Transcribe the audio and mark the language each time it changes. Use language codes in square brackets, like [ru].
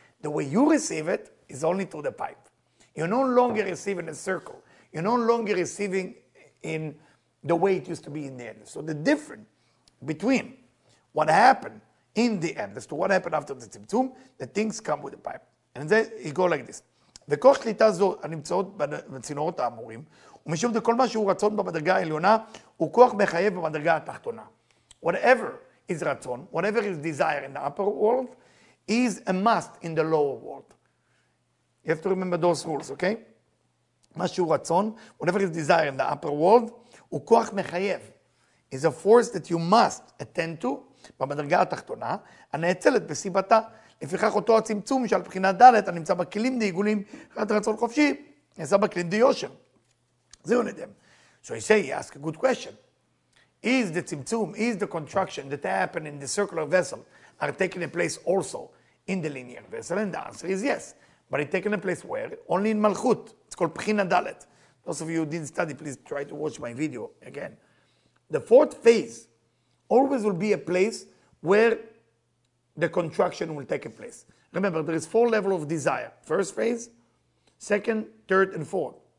[en] The way you receive it is only through the pipe. You're no longer receiving a circle. You're no longer receiving in the way it used to be in the endless. So the difference between what happened in the endless to what happened after the tzimtzum, the things come with the pipe. And then it goes like this. [he] וכוח שליטה זו הנמצאות בצינורות האמורים, ומשום זה כל מה שהוא רצון במדרגה העליונה, הוא כוח מחייב במדרגה התחתונה. [en] Whatever is רצון, whatever is desire in the upper world, is a must in the lower world. You have to remember those rules, okay? [he] מה שהוא רצון, [en] whatever is desire in the upper world, [he] הוא כוח מחייב. [en] Is a force that you must attend to [he] במדרגה התחתונה, הנאצלת בסיבתה, לפיכך אותו הצמצום שעל בחינת דלת, הנמצא בכלים דעיגולים, חד רצון חופשי, נעשה בכלים דיושר. זהו נדם. [en] So he say, he ask a good question. Is the tzimtzum, is the contraction that happened in the circular vessel are taking a place also in the linear vessel? And the answer is yes. But it's taking a place where? Only in Malchut. It's called Pchina Dalet. Those of you who didn't study, please try to watch my video again. The fourth phase always will be a place where the contraction will take a place. Remember, there is four levels of desire. First phase, second, third, and fourth.